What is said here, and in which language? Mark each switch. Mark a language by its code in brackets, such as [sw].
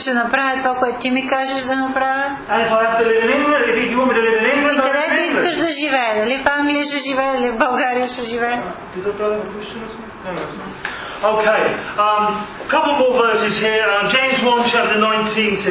[bg] Ще направя това, което Ти ми кажеш да направя. [en] And if I have to live in England, if you want me to live in England, [bg] и където искаш да живее, дали в Англия ще живее, дали в България ще живее. [en] Okay. Couple more verses here. James 1 chapter 19 says this.